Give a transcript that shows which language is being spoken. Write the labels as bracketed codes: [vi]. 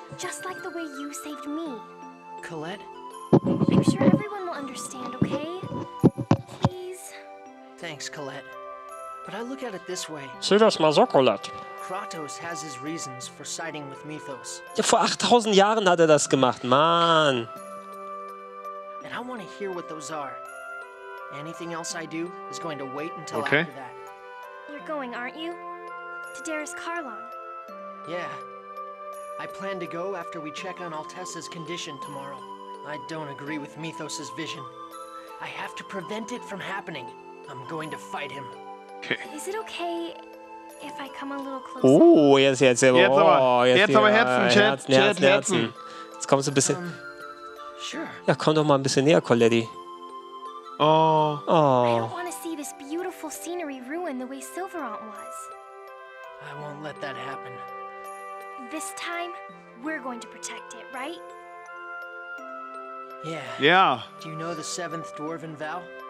[en] Just like the way you saved me. Colette? I'm sure everyone will understand, okay? Please. Thanks, Colette. But I look at it this way. [de] Sieh das mal so, Colette. [en] Kratos has his reasons for siding with Mythos. [de] Ja, vor 8000 Jahren hat er das gemacht, Mann. [en] And I want to hear what those are. Anything else I do is going to wait until okay. after that. You're going, aren't you? To Daris Carlon. Yeah. I plan to go after we check on Altessa's condition tomorrow. I don't agree with Mythos's vision. I have to prevent it from happening. I'm going to fight him. Okay. Is it okay if I come a little closer? [de] Oh, jetzt aber Herzen, Herzen. Jetzt kommst du ein bisschen. [en] Sure. [de] Ja, komm doch mal ein bisschen näher, Colletti. Oh. Oh. [en] I don't want to see this beautiful scenery ruined the way Silverant was. I won't let that happen. This time, we're going to protect it, right? Yeah. Yeah. Do you know the seventh dwarven vow?